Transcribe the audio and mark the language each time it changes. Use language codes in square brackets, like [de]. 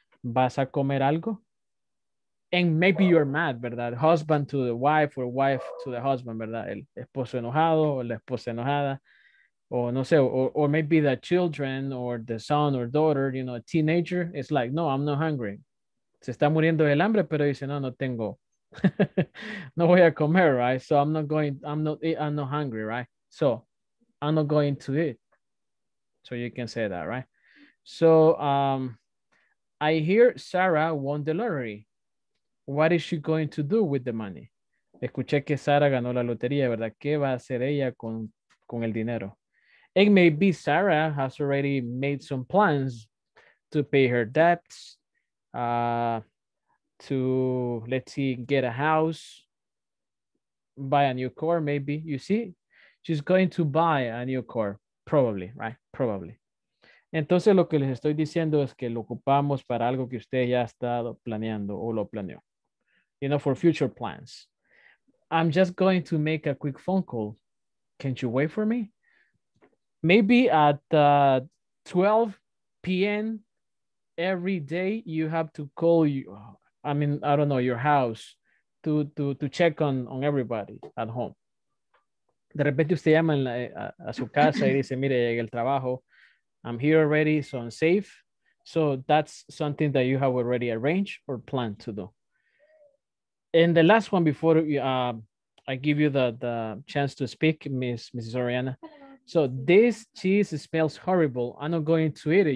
[es] ¿Vas a comer algo? [en] And maybe you're mad, [es] ¿verdad? [en] Husband to the wife or wife to the husband, ¿verdad? [es] El esposo enojado o la esposa enojada. O no sé, [en] or maybe the children or the son or daughter, you know, a teenager. It's like, no, I'm not hungry. [es] Se está muriendo del hambre, pero dice, no, no tengo. No voy a comer, [en] right? So I'm not hungry, right? So I'm not going to eat. So you can say that, right? So I hear Sarah won the lottery. What is she going to do with the money? [es] Escuché que Sarah ganó la lotería, ¿verdad? ¿Qué va a hacer ella con el dinero? [en] It may be Sarah has already made some plans to pay her debts, to, let's see, get a house, buy a new car, maybe, you see? She's going to buy a new car, probably, right? Probably. [es] Entonces, lo que les estoy diciendo es que lo ocupamos para algo que usted ya ha estado planeando o lo planeó. [en] You know, for future plans. I'm just going to make a quick phone call. Can't you wait for me? Maybe at 12 p.m. every day, you have to call you. I mean, I don't know, your house to check on everybody at home. [es] De repente usted llama a su casa y dice, mire, llegué al trabajo. [en] I'm here already, so I'm safe. So that's something that you have already arranged or planned to do. And the last one before I give you the chance to speak, Mrs. Oriana. So this cheese smells horrible. I'm not going to eat it.